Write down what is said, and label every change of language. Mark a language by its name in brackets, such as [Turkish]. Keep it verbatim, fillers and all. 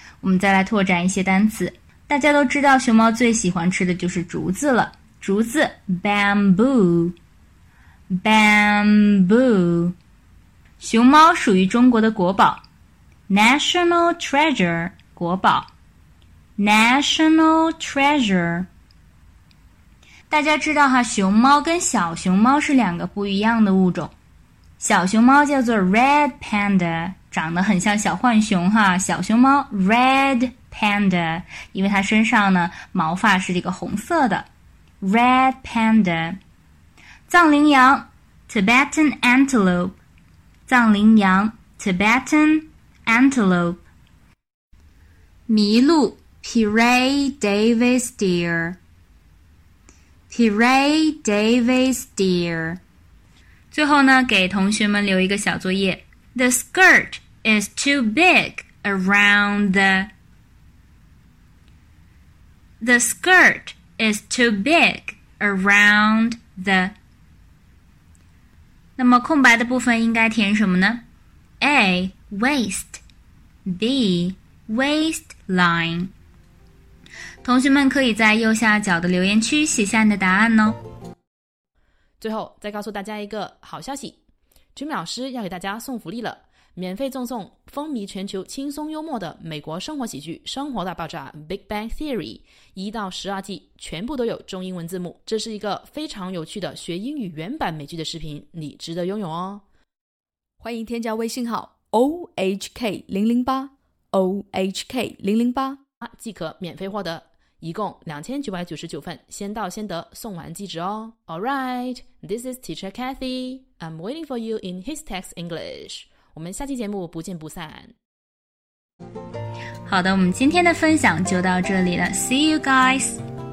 [Chinese] 我们再来拓展一些单词。大家都知道熊猫最喜欢吃的就是竹子了。竹子 bamboo bamboo 熊猫属于中国的国宝 [English] national treasure [Chinese] 国宝 national treasure 大家知道哈，熊猫跟小熊猫是两个不一样的物种。小熊猫叫做 [English] red panda， [Chinese] 长得很像小浣熊哈，小熊猫 red panda， 因为它身上呢毛发是这个红色的。 [English] Red panda [Chinese] 藏羚羊 [English] Tibetan antelope 藏羚羊 Tibetan antelope [Chinese] 麋鹿 [English] Pirei Davis deer Pirei Davis deer [Chinese] 最后呢，给同学们留一个小作业。 [English] The skirt is too big around the The skirt is too big around the [Chinese] 那么空白的部分应该填什么呢？ [English] A. waist, b, waistline。 [Chinese] 同学们可以在右下角的留言区写下你的答案哦。最后再告诉大家一个好消息，君美老师要给大家送福利了，免费赠送风靡全球轻松幽默的美国生活喜剧《生活大爆炸》Big Bang Theory 一到十二季全部都有中英文字幕，这是一个非常有趣的学英语原版美剧的视频，你值得拥有哦。欢迎添加微信号 O H K 零零八 O H K 零零八即可免费获得，一共两千九百九十九份，先到先得，送完即止哦。 [English] Alright, this is Teacher Cathy. I'm waiting for you in His Text English. [Chinese] 我们下期节目不见不散。好的，我们今天的分享就到这里了。 [English] See you guys!